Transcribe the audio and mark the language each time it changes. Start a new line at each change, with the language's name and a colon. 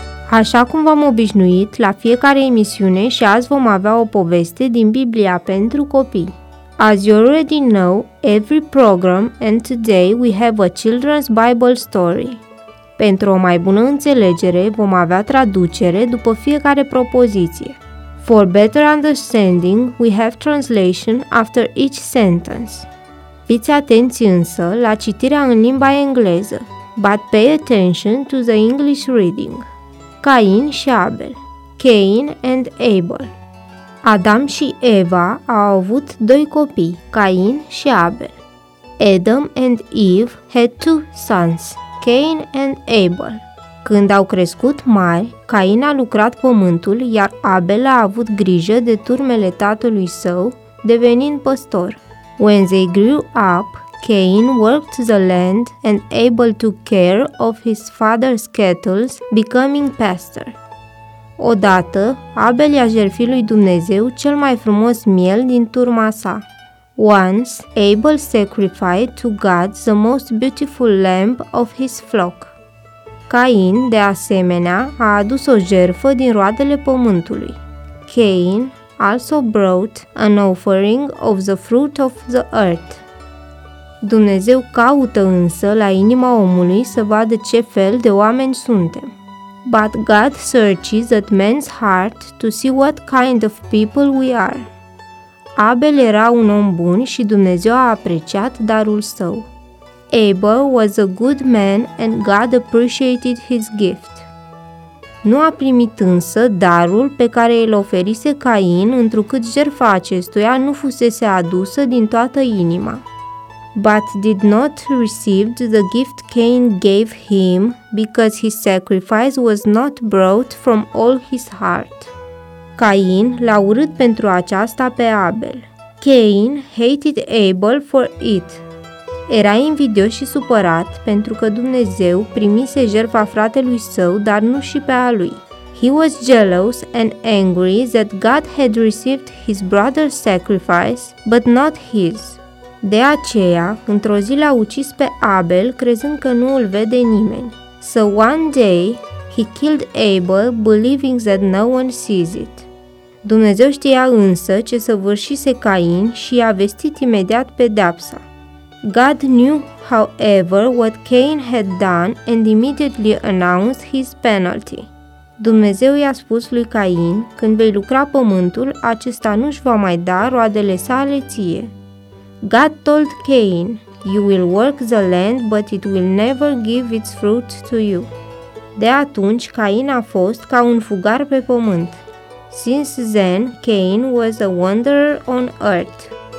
Romanian: Așa cum v-am obișnuit, la fiecare emisiune și azi vom avea o poveste din Biblia pentru copii.
English: As you already know, every program and today we have a children's Bible story.
Romanian: Pentru o mai bună înțelegere, vom avea traducere după fiecare propoziție.
English: For better understanding, we have translation after each sentence.
Romanian: Fiți atenți însă la citirea în limba engleză,
English: but pay attention to the English reading.
Romanian: Cain și Abel. Cain and Abel. Adam și Eva au avut doi copii, Cain și Abel.
English: Adam and Eve had two sons, Cain and Abel.
Romanian: Când au crescut mari, Cain a lucrat pământul, iar Abel a avut grijă de turmele tatălui său, devenind păstor.
English: When they grew up, Cain worked the land and Abel took care of his father's cattle, becoming pastor.
Romanian: Odată, Abel i-a jertfit lui Dumnezeu cel mai frumos miel din turma sa.
English: Once, Abel sacrificed to God the most beautiful lamb of his flock.
Romanian: Cain, de asemenea, a adus o jertfă din roadele pământului.
English: Cain also brought an offering of the fruit of the earth.
Romanian: Dumnezeu caută însă la inima omului să vadă ce fel de oameni suntem.
English: But God searches at man's heart to see what kind of people we are.
Romanian: Abel era un om bun și Dumnezeu a apreciat darul său.
English: Abel was a good man and God appreciated his gift.
Romanian: Nu a primit însă darul pe care îl oferise Cain, întrucât jertfa acestuia nu fusese adusă din toată inima.
English: But did not receive the gift Cain gave him, because his sacrifice was not brought from all his heart.
Romanian: Cain l-a urât pentru aceasta pe Abel.
English: Cain hated Abel for it.
Romanian: Era invidios și supărat pentru că Dumnezeu primise jertfa fratelui său, dar nu și pe a lui.
English: He was jealous and angry that God had received his brother's sacrifice, but not his.
Romanian: De aceea, într-o zi l-a ucis pe Abel, crezând că nu îl vede nimeni.
English: So one day, he killed Abel, believing that no one sees it.
Romanian: Dumnezeu știa însă ce săvârșise Cain și i-a vestit imediat pedeapsa.
English: God knew, however, what Cain had done and immediately announced his penalty.
Romanian: Dumnezeu i-a spus lui Cain, când vei lucra pământul, acesta nu-și va mai da roadele sale ție.
English: God told Cain, "You will work the land, but it will never give its fruit to you."
Romanian: De atunci, Cain a fost ca un fugar pe pământ.
English: Since then, Cain was a wanderer on earth.